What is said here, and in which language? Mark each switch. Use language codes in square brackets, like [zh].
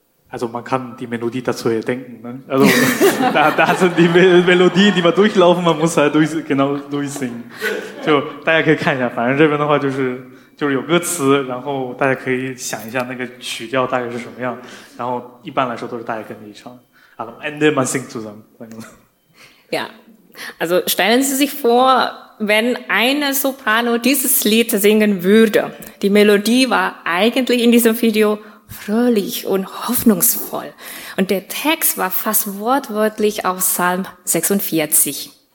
[de] Also man kann die Melodie dazu erdenken. Ne? Also da sind die Melodien, die man durchlaufen, man muss halt durch, genau durchsingen. [zh] So, 大家可以看一下，反正这边的话就是有歌词，然后大家可以想一下那个曲调大概是什么样。然后一般来说都是大家跟着一唱。 [de] Am Ende man singt zusammen. Ja, also stellen Sie sich vor, wenn eine Soprano dieses Lied singen würde. Die Melodie war eigentlich in diesem Video fröhlich und hoffnungsvoll. Und der Text war fast wortwörtlich auf Psalm 46.